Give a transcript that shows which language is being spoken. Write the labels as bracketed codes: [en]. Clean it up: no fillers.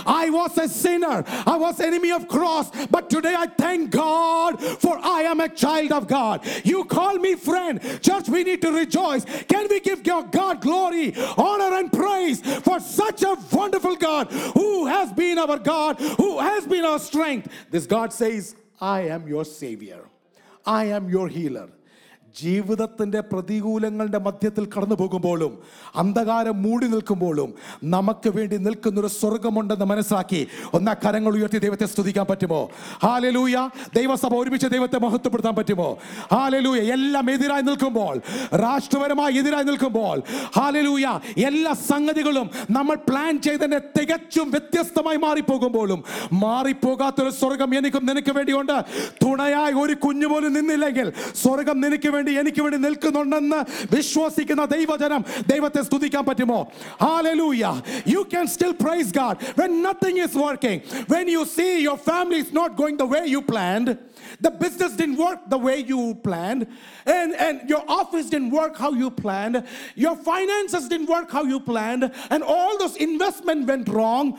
[en] I was a sinner. I was enemy of cross, but today I thank God, for I am a child of God. You call me friend. Church, we need to rejoice. Can we give God glory, honor, and praise for such a wonderful God who has been our God, who has been our strength? This God says, I am your savior. I am your healer. [ml] ജീവിതത്തിൻ്റെ പ്രതികൂലങ്ങളുടെ മധ്യത്തിൽ കടന്നു പോകുമ്പോഴും അന്ധകാരം മൂടി നിൽക്കുമ്പോഴും നമുക്ക് വേണ്ടി നിൽക്കുന്നൊരു സ്വർഗമുണ്ടെന്ന് മനസ്സിലാക്കി ഒന്ന് കരങ്ങൾ ഉയർത്തി ദൈവത്തെ സ്തുതിക്കാൻ പറ്റുമോ? ഹാലലൂയ. ദൈവസഭ ഒരുമിച്ച് ദൈവത്തെ മഹത്വപ്പെടുത്താൻ പറ്റുമോ? ഹാലലൂയ. എല്ലാം എതിരായി നിൽക്കുമ്പോൾ, രാഷ്ട്രപരമായി എതിരായി നിൽക്കുമ്പോൾ, ഹാലലൂയ, എല്ലാ സംഗതികളും നമ്മൾ പ്ലാൻ ചെയ്തതിനെ തികച്ചും വ്യത്യസ്തമായി മാറിപ്പോകുമ്പോഴും മാറിപ്പോകാത്തൊരു സ്വർഗം എനിക്കും നിനക്ക് വേണ്ടിയുണ്ട്. തുണയായി ഒരു കുഞ്ഞുപോലും നിന്നില്ലെങ്കിൽ സ്വർഗം എനിക്ക് വേണ്ടി നിൽക്കുന്നുണ്ടെന്ന് വിശ്വസിക്കുന്ന ദൈവജനം, ദൈവത്തെ സ്തുതിക്കാൻ പറ്റുമോ? [en] Hallelujah. You can still praise God when nothing is working. When you see your family is not going the way you planned, the business didn't work the way you planned, and your office didn't work how you planned, your finances didn't work how you planned, and all those investment went wrong.